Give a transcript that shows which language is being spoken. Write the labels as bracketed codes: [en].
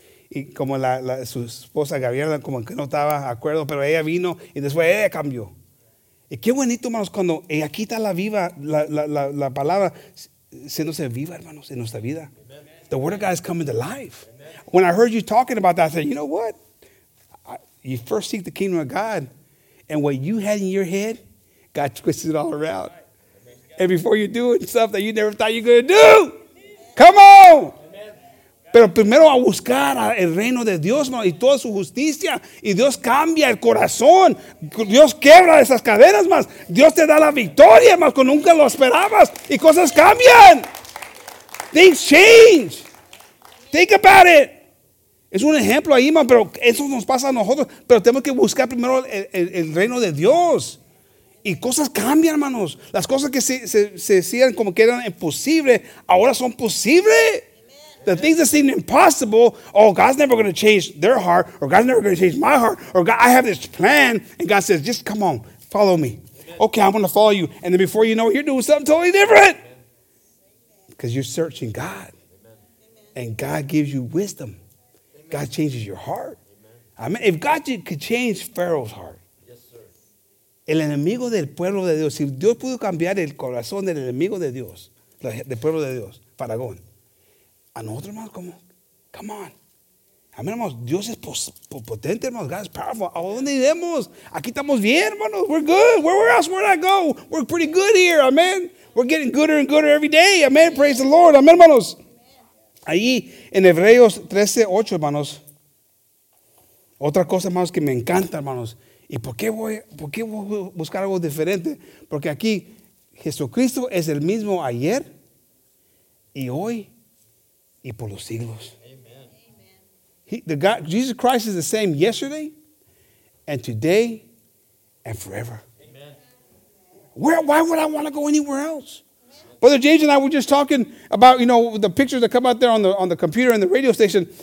[es] Y como su esposa Gabriela, como que no estaba de acuerdo, pero ella vino y después ella cambió. Y qué bonito, hermanos, cuando aquí está la viva, la palabra, siéndose viva, hermanos, en nuestra vida. [en] Amen. The word of God is coming to life. Amen. When I heard you talking about that, I said, you know what? You first seek the kingdom of God, and what you had in your head, God twisted it all around. Amen. And before you're doing stuff that you never thought you were going to do, come on! [es] Pero primero a buscar el reino de Dios, ¿no? Y toda su justicia. Y Dios cambia el corazón. Dios quebra esas cadenas, más. Dios te da la victoria, más, cuando nunca lo esperabas. Y cosas cambian. [en] Things change. Think about it. [es] Es un ejemplo ahí, man, pero eso nos pasa a nosotros. Pero tenemos que buscar primero el reino de Dios. Y cosas cambian, hermanos. Las cosas que se decían como que eran imposibles, ahora son posibles. [en] The things that seem impossible, oh, God's never going to change their heart, or God's never going to change my heart, or God, I have this plan, and God says, just come on, follow me. Amen. Okay, I'm going to follow you. And then before you know it, you're doing something totally different. Because you're searching God. Amen. And God gives you wisdom. Amen. God changes your heart. Amen. I mean, if God could change Pharaoh's heart, yes, sir. [es] El enemigo del pueblo de Dios, si Dios pudo cambiar el corazón del enemigo de Dios, del pueblo de Dios, Faraón. A nosotros, hermanos, como, come on. A mí, hermanos, Dios es potente, hermanos. [en] God is powerful. [es] ¿A dónde iremos? Aquí estamos bien, hermanos. [en] We're good. Where else would I go? We're pretty good here, amen. We're getting gooder and gooder every day, amen. Praise the Lord, amen, [es] hermanos. Ahí, en Hebreos 13:8, hermanos. Otra cosa, hermanos, que me encanta, hermanos. ¿Y por qué voy a buscar algo diferente? Porque aquí, Jesucristo es el mismo ayer y hoy. Y por los siglos. Amen. [en] Jesus Christ is the same yesterday and today and forever. Amen. Why would I want to go anywhere else? Amen. Brother James and I were just talking about, you know, the pictures that come out there on the computer and the radio station.